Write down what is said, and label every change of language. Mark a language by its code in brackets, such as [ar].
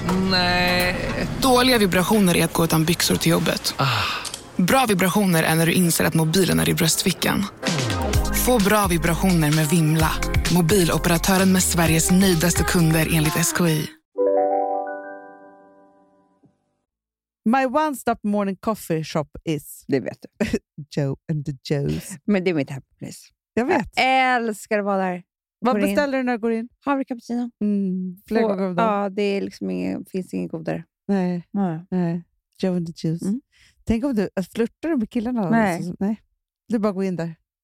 [sv] Nej. Dåliga vibrationer är att gå utan byxor till jobbet. Bra vibrationer är när du inser att mobilen är i bröstfickan. Få bra vibrationer med Vimla. Mobiloperatören med Sveriges nöjdaste kunder enligt SKI. [en] My one stop morning coffee shop is... [sv] Det vet du. Joe and the Joes. Men det är mitt happy place. Jag vet. Jag älskar att vara där. Vad beställer du när du går in? Havre cappuccino. Mm, flera gånger då. Ja, det är liksom ingen, finns ingen godare. Nej. Nej. Joe and the Joes. Mm. Tänk om du flirtar med killarna. Nej. Alltså, nej. Du bara går in där.